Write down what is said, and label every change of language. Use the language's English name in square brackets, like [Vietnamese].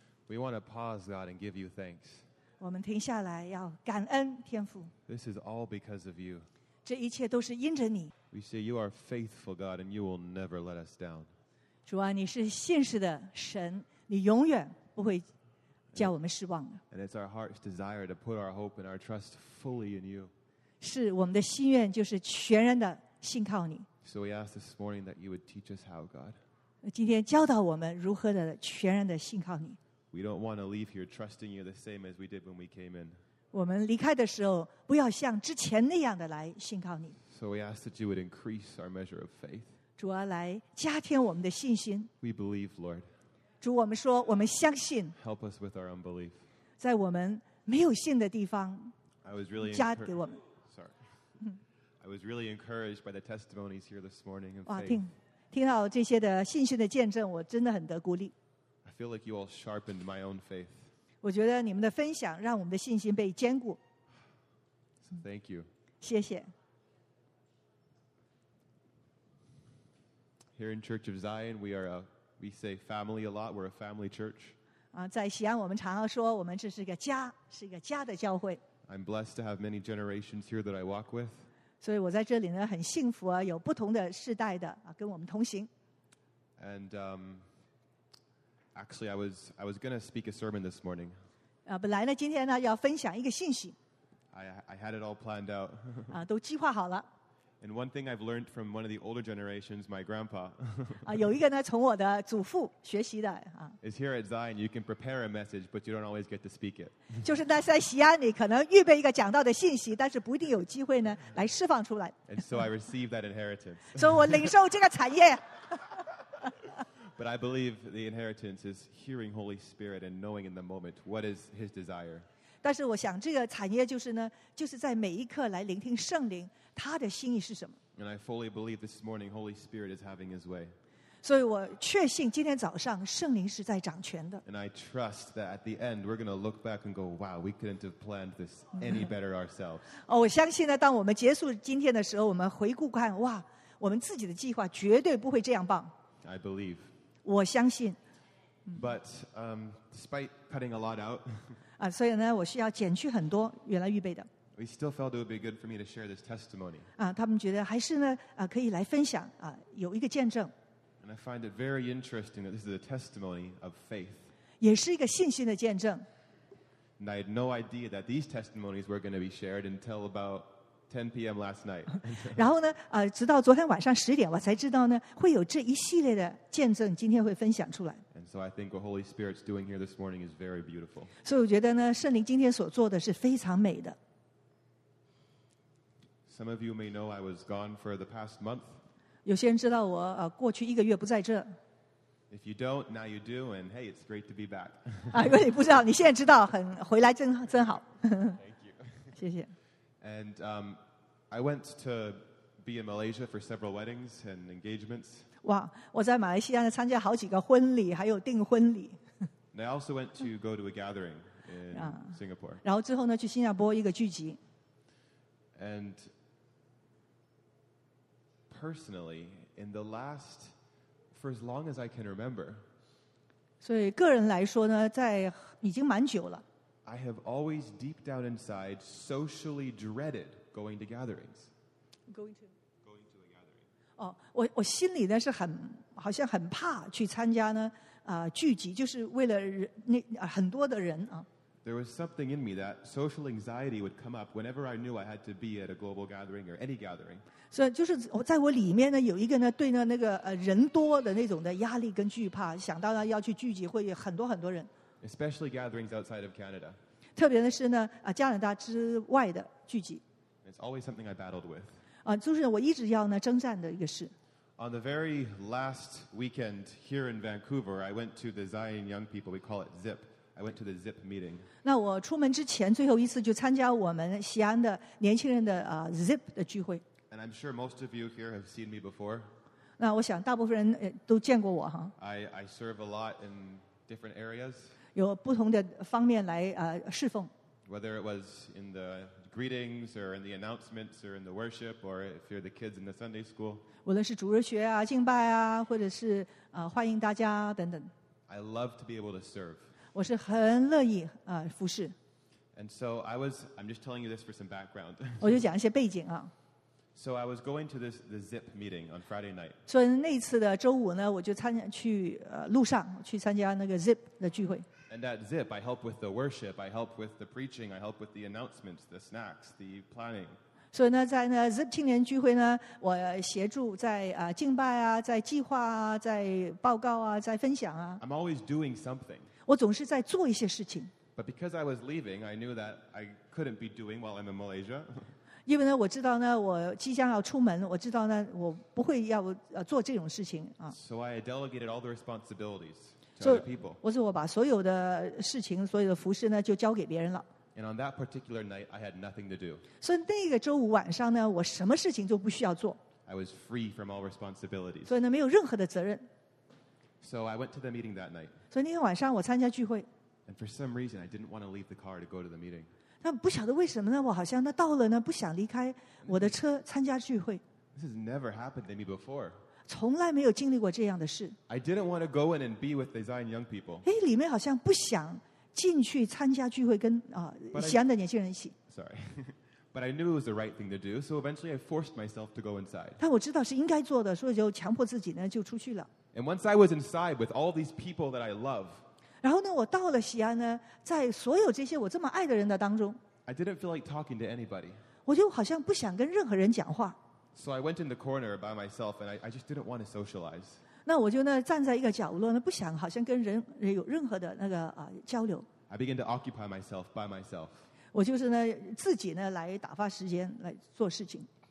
[English] We want to pause, God, and give you thanks. [Chinese] 我们停下来要感恩天父。 [English] This is all because of you. [Chinese] 这一切都是因着你。 [English] We say you are faithful, God, and you will never let us down. [Chinese] 主啊，你是信实的神，你永远不会叫我们失望的。 [English] And it's our heart's desire to put our hope and our trust fully in you. [Chinese] 是我们的心愿，就是全然的信靠你。 [English] So we ask this morning that you would teach us how, God. [Chinese] 今天教导我们如何的全然的信靠你。 [English] We don't want to leave here trusting you the same as we did when we came in. [Chinese] 我们离开的时候不要像之前那样的来信靠你。 [English] So we ask that you would increase our measure of faith. [Chinese] 主啊，来加添我们的信心。 [English] We believe, Lord. [Chinese] 主，我们说我们相信。 [English] Help us with our unbelief. [Chinese] 在我们没有信的地方。 [English] I was really [Chinese] 加给我们。 [English] Sorry. I was really encouraged by the testimonies here this morning of faith. [Chinese] 哇，听到这些的信心的见证，我真的很得鼓励。 [English] I feel like you all sharpened my own faith. [Chinese] 我觉得你们的分享让我们的信心被坚固。 [English] So thank you. [Chinese] 谢谢。 [English] Here in Church of Zion, we say family a lot. We're a family church. [Chinese] 在西安我们常常说我们这是个家，是一个家的教会。 [English] I'm blessed to have many generations here that I walk with. [Chinese] 所以我在这里呢很幸福啊，有不同的世代的啊跟我们同行。 [English] And Actually, I was going to speak a sermon this morning. [Chinese] 本来呢，今天呢要分享一个信息。 [English] I had it all planned out. [Chinese] 都计划好了。 [English] And one thing I've learned from one of the older generations, my grandpa. [Chinese] 有一个呢，从我的祖父学习的。 [English] Is here at Zion, you can prepare a message, but you don't always get to speak it. [Chinese] 就是在西安，你可能预备一个讲到的信息，但是不一定有机会呢来释放出来。 [English] And so I received that inheritance. [Chinese] 所以我领受这个产业。 [English] But I believe the inheritance is hearing Holy Spirit and knowing in the moment what is His desire. [Chinese] 但是我想这个产业就是呢，就是在每一刻来聆听圣灵，他的心意是什么。 [English] And I fully believe this morning Holy Spirit is having His way. [Chinese] 所以我确信今天早上圣灵是在掌权的。 [English] And I trust that at the end we're going to look back and go, wow, we couldn't have planned this any better ourselves. [Chinese] 我相信呢，当我们结束今天的时候，我们回顾看，哇，我们自己的计划绝对不会这样棒。 [English] I believe. [Chinese] 我相信。 [English] But despite cutting a lot out, [Chinese] 所以呢，我需要剪去很多原来预备的。 [English] We still felt it would be good for me to share this testimony. [Chinese] 他们觉得还是呢，可以来分享啊，有一个见证。 [English] And I find it very interesting that this is a testimony of faith. [Chinese] 也是一个信心的见证。 [English] And I had no idea that these testimonies were going to be shared until about 10 p.m. last night. [Chinese] 然后呢，直到昨天晚上十点，我才知道呢，会有这一系列的见证，今天会分享出来。 [English] And so I think what Holy Spirit's doing here this morning is very beautiful. [Chinese] 所以我觉得呢，圣灵今天所做的是非常美的。 [English] Some of you may know I was gone for the past month. [Chinese] 有些人知道我过去一个月不在这。 [English] If you don't, now you do, and hey, it's great to be back. [Chinese] 如果你不知道，你现在知道，很回来真好。 [English] Thank you. [Chinese] 谢谢。 [English] And I went to be in Malaysia for several weddings and engagements. [Chinese] Wow, 我在马来西亚参加好几个婚礼，还有订婚礼。 [English] And I also went to go to a gathering in Singapore. [Chinese] 然后之后呢，去新加坡一个聚集。 [English] And personally, in the last, for as long as I can remember. [Chinese] 所以个人来说呢，在已经蛮久了。 [English] I have always deep down inside socially dreaded going to gatherings. Going to a gathering. [Chinese] 我心里呢是很好像很怕去参加呢聚集，就是为了人那很多的人啊。 [English] there was something in me that social anxiety would come up whenever I knew I had to be at a global gathering or any gathering. [Chinese] 所以就是在我里面呢，有一个呢，对呢那个人多的那种的压力跟惧怕，想到呢要去聚集会很多很多人。 [English] Especially gatherings outside of Canada. [Chinese] 特别是呢，加拿大之外的聚集。 [English] It's always something I battled with. [Chinese] 就是我一直要呢征战的一个事。 [English] On the very last weekend here in Vancouver, I went to the Zion Young People, we call it ZIP. I went to the ZIP meeting. [Chinese] 那我出门之前最后一次就参加我们西安的年轻人的ZIP 的聚会。 [English] And I'm sure most of you here have seen me before. [Chinese] 那我想大部分人都见过我哈。 [English] I serve a lot in different areas. [Chinese] 有不同的方面来侍奉。 [English] Whether it was in the greetings or in the announcements or in the worship or if you're the kids in the Sunday school. [Chinese] 无论是主日学啊敬拜啊或者是欢迎大家等等。 [English] I love to be able to serve. [Chinese] 我是很乐意服侍。 [English] And so I'm just telling you this for some background. [Chinese] 我就讲一些背景啊。 [English] So I was going to the ZIP meeting on Friday night. [Chinese] 所以那一次的周五呢我就参加去路上去参加那个 ZIP 的聚会。 [English] And at ZIP, I help with the worship, I help with the preaching, I help with the announcements, the snacks, the planning. [Chinese] 所以呢，在呢 ZIP 青年聚会呢，我协助在敬拜啊，在计划啊，在报告啊，在分享啊。 [English] I'm always doing something. [Chinese] 我总是在做一些事情。 [English] But because I was leaving, I knew that I couldn't be doing while I'm in Malaysia. [Chinese] 因为呢，我知道呢，我即将要出门，我知道呢，我不会要做这种事情啊。 [English] So I delegated all the responsibilities. So我 [Chinese] 把所有的事情所有的服事呢就交给别人了。 [English] And on that particular night, I had nothing to do. [Chinese] 所以那个周五晚上呢我什么事情就不需要做。 [English] I was free from all responsibilities. [Chinese] 所以呢没有任何的责任。 [English] So I went to the meeting that night. [Chinese] 所以那天晚上我参加聚会。 [English] And for some reason, I didn't want to leave the car to go to the meeting. [Chinese] 但不晓得为什么呢我好像到了呢不想离开我的车参加聚会。 [English] This has never happened to me before. [Chinese] 从来没有经历过这样的事。 [English] I didn't want to go in and be with the Zion Young People. [Chinese] 哎，里面好像不想进去参加聚会跟西安的年轻人一起。 [English] Sorry, but I knew it was the right thing to do. So eventually, I forced myself to go inside. [Chinese] 但我知道是应该做的，所以就强迫自己呢就出去了。 [English] And once I was inside with all these people that I love, [Chinese] 然后呢，我到了西安呢，在所有这些我这么爱的人的当中 [English] ，I didn't feel like talking to anybody. [Chinese] 我就好像不想跟任何人讲话。 [English] So I went in the corner by myself, and I just didn't want to socialize. [Chinese] 那我就呢站在一个角落呢，不想好像跟人有任何的那个交流。 [English] I began to occupy myself by myself. [Chinese] 我就是呢自己呢来打发时间来做事情。